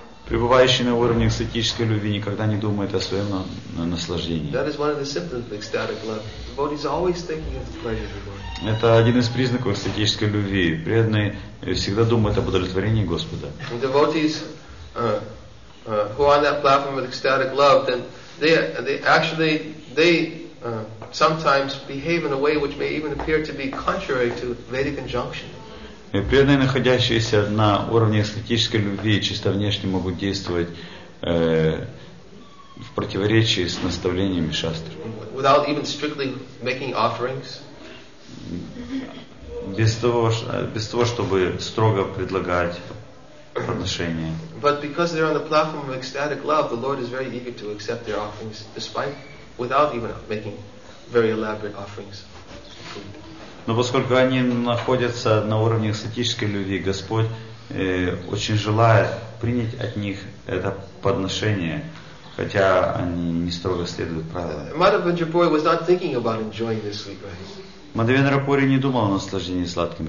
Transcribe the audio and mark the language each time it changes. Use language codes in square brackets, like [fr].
[ru] пребывающий на уровне экстатической любви, никогда не думает о своем наслаждении. [en] That is one of the symptoms of ecstatic love. The devotee is always thinking of the pleasure of the Lord. [ru] Это один из признаков экстатической любви. Преданный всегда думает об удовлетворении Господа. [en] And devotees who are on that platform of ecstatic love, then they sometimes behave in a way which may even appear to be contrary to Vedic injunction. [ru] Преданные, находящиеся на уровне эстетической любви, чисто внешне могут действовать в противоречии с наставлениями шастр. [en] Without even strictly making offerings. [ru] Без того, чтобы строго предлагать подношения. [en] But because they're on the platform of ecstatic love, the Lord is very eager to accept their offerings, despite without even making very elaborate offerings. [ru] Но поскольку они находятся на уровне эстетической любви, Господь очень желает принять от них это подношение, хотя они не строго следуют правилам. Мадхавендра Пури не думал о наслаждении сладким